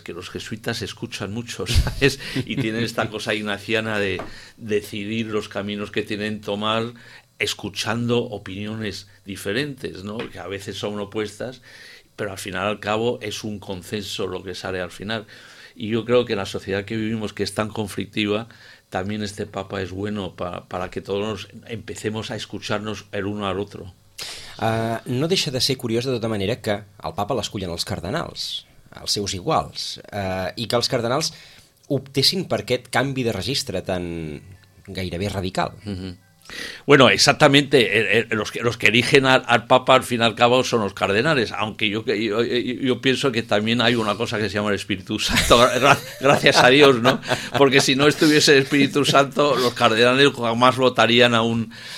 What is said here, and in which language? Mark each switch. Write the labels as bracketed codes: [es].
[es] Que los jesuitas escuchan mucho, ¿sabes? Y tienen esta cosa ignaciana de decidir los caminos que tienen que tomar escuchando opiniones diferentes, ¿no? Que a veces son opuestas, pero al final al cabo es un consenso lo que sale al final. Y yo creo que en la sociedad que vivimos, que es tan conflictiva, también este Papa es bueno para que todos empecemos a escucharnos el uno al otro. [ca] No deixa de ser curiós de tota manera que el Papa l'escullen els cardenals, els seus iguals, i que els cardenals optessin per aquest canvi de registre tan gairebé radical. Mm-hmm. [es] Bueno, exactamente, los que eligen al Papa al final cabo son los cardenales, aunque yo pienso que también hay una cosa que se llama el Espíritu Santo, gracias a Dios, ¿no? Porque si no estuviese el Espíritu Santo, los cardenales jamás votarían a un...